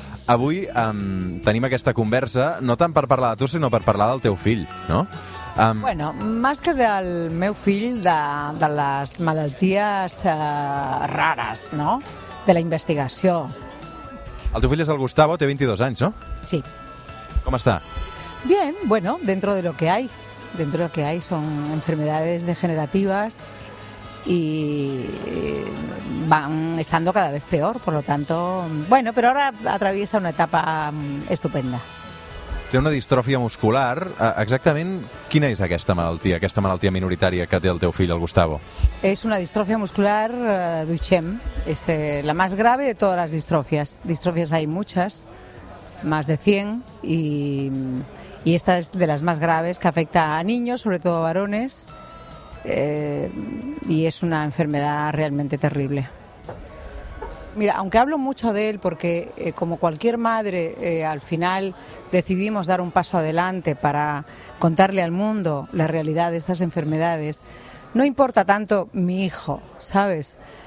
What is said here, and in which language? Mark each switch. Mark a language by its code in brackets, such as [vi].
[ca] Avui tenim aquesta conversa no tant per parlar de tu, sinó per parlar del teu fill, no? Bueno, més que del meu fill, de les malalties rares, no? De la investigació. El teu fill és el Gustavo, té 22 anys, no? Sí. Com està? [es] Bien, bueno, dentro de lo que hay. Dentro de lo que hay son enfermedades degenerativas y van estando cada vez peor, por lo tanto, bueno, pero ahora atraviesa una etapa estupenda. [ca] Té una distrofia muscular. Exactament quina és aquesta malaltia minoritària que té el teu fill, el Gustavo? És una distrofia muscular Duchenne, és la més grave de totes les distrofies. Distrofies hi ha moltes, més de 100, [es] y esta es de las más graves, que afecta a niños, sobre todo a varones, y es una enfermedad realmente terrible. Mira, aunque hablo mucho de él, porque como cualquier madre, al final decidimos dar un paso adelante para contarle al mundo la realidad de estas enfermedades, no importa tanto mi hijo, ¿sabes?